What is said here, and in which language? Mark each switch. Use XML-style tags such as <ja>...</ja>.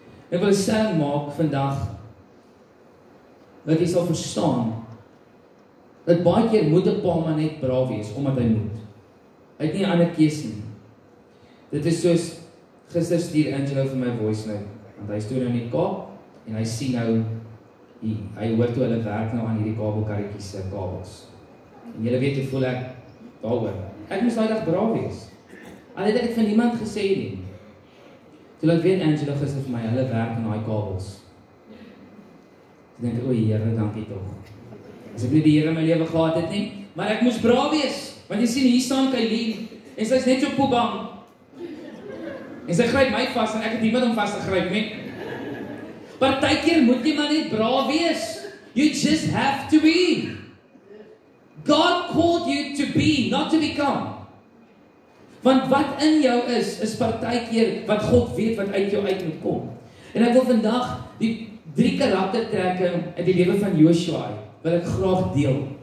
<af>Ek wil sê maak vandag dat jy sal verstaan dat baie keer moet 'n pa maar net braaf wees omdat hy moet. Hy het nie 'n ander keuse nie. Dit is soos gister stuur Angelo vir my voice note, want hy stoor nou in die Kaap en hy sien nou hy hoor toe hulle werk nou aan hierdie kabelkarretjies se kabels. En julle weet hoe voel ek daaroor. Ek moes daai dag braaf wees. Al het ek dit vir niemand gesê nie. Toe laat weet Angelo gister vir my hulle werk aan daai kabels. Ek dink o, Here, dankie tog. As ek nie die Here in my lewe gehad het nie, maar ek moes braaf wees, want jy sien hier staan Kylie en sy's net so poe bang. En sy gryp my vas en ek het niemand om vas te gryp nie. Partykeer moet jy maar net braaf wees.</af> <en>You just have to be. God called you to be, not to become.</en> <af>Want wat in jou is, is partykeer wat God weet wat uit jou uit moet kom. En ek wil vandag die drie karaktertrekke uit die lewe van Joshua wil ek graag deel.</af>